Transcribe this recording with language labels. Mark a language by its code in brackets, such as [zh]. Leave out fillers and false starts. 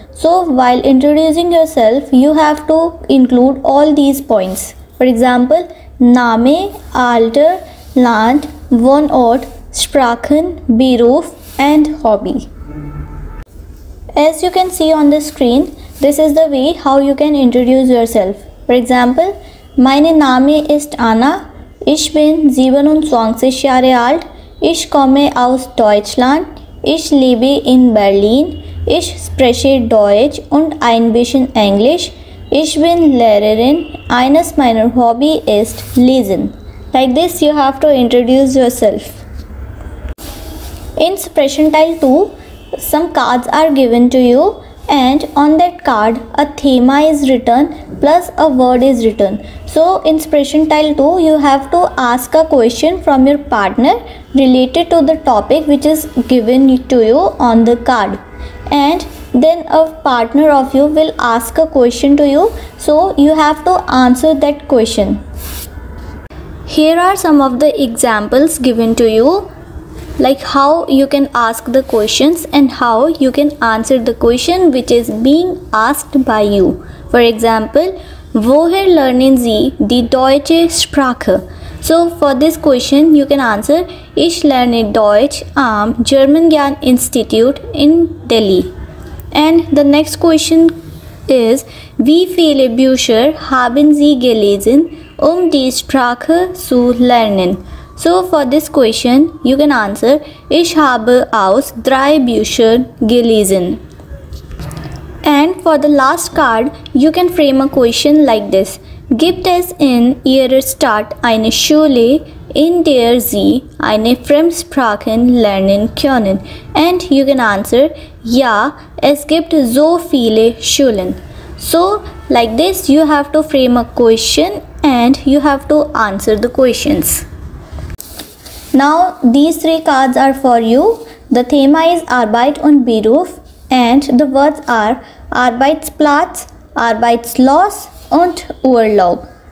[en] So while introducing yourself, you have to include all these points. For example, [de] Name, Alter, Land, Wohnort, Sprachen, Beruf and Hobby. [en] As you can see on the screen, this is the way how you can introduce yourself. For example, [de] Meine Name ist Anna, ich bin 27 Jahre alt, ich komme aus Deutschland, ich lebe in Berlin, ich spreche Deutsch und ein bisschen Englisch, ich bin Lehrerin, eines meiner Hobby ist Lesen. [en] Like this you have to introduce yourself. In expression tile 2, some cards are given to you And on that card, a thema is written plus a word is written. So in inspiration tile 2, you have to ask a question from your partner related to the topic which is given to you on the card. And then a partner of you will ask a question to you. So you have to answer that question. Here are some of the examples given to you, like how you can ask the questions and how you can answer the question which is being asked by you. For example, [de] Woher lernen Sie die deutsche Sprache? [en] So for this question you can answer, [de] Ich lerne Deutsch am German Gyan Institute in Delhi. [en] And the next question is, [de] Wie viele Bücher haben Sie gelesen die Sprache zu lernen? [en] So for this question you can answer, [de] Ich habe aus drei Büchern gelesen. [en] And for the last card, you can frame a question like this. [de] Gibt es in Ihrer Stadt eine Schule, in der Sie eine Fremdsprache lernen können? [en] And you can answer, [de] Ja, es gibt so viele Schulen. [en] So like this, you have to frame a question and you have to answer the questions. Now these three cards are for you. The thema is [de] Arbeit und Beruf [en] and the words are [de] Arbeitsplatz, Arbeitsloss und Urlaub.